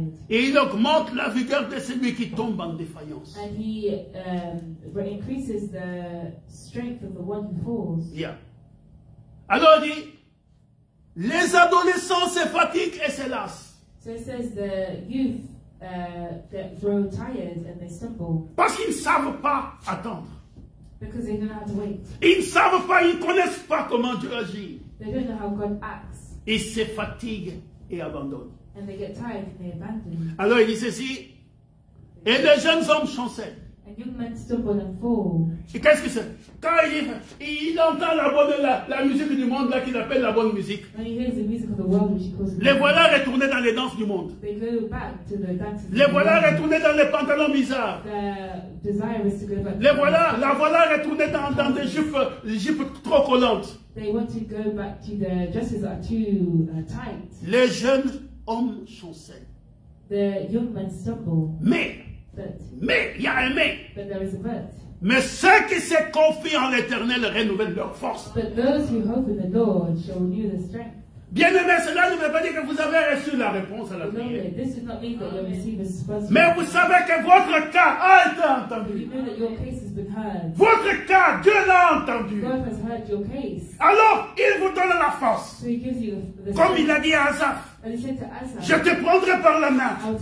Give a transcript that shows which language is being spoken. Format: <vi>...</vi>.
<fr>Et il augmente la vigueur de celui qui tombe en défaillance.</fr> <en>And he increases the strength of the one who falls.</en> <fr>Yeah. Alors il dit, les adolescents se fatiguent et se lassent.</fr> <en>So it says the youth they grow tired and they stumble.</en> <fr>Parce qu'ils ne savent pas attendre.</fr> <en>Because they don't know how to wait.</en> <fr>Ils ne savent pas, ils ne connaissent pas comment Dieu agit.</fr> <en>They don't know how God acts.</en> <fr>Ils se fatiguent et abandonnent.</fr> <en>And they get tired and they abandon.</en> <fr>Alors il dit ceci. Et les jeunes hommes chancèlent.</fr> <en>And young men stumble and fall.</en> <fr>Et qu'est-ce que c'est? Quand il entend la musique du monde là qu'il appelle la bonne musique.</fr> <en>When he hears the music of the world which he calls.</en> <fr>Les voilà retournés dans les danses du monde.</fr> <en>They go back to the dances.</en> <fr>Les voilà retournés dans les pantalons bizarres.</fr> <en>The desire is to go back.</en> <fr>Les voilà, la voilà retournée dans des jupes trop collantes.</fr> <en>They want to go back to the dresses that are too tight.</en> <fr>Les jeunes hommes chancèlent.</fr> <en>The young men stumble.</en> <fr>Mais, il y a un mais.</fr> <en>But there is a but.</en> <fr>Mais ceux qui se confient en l'Éternel renouvellent leur force.</fr> <en>But those who hope in the Lord shall renew their strength.</en> <fr>Bien-aimés, cela ne veut pas dire que vous avez reçu la réponse à la prière. Mais vous savez que votre cas a été entendu. Votre cas, Dieu l'a entendu. Alors, il vous donne la force. Comme il a dit à Asaph. Je te prendrai par la main.</fr>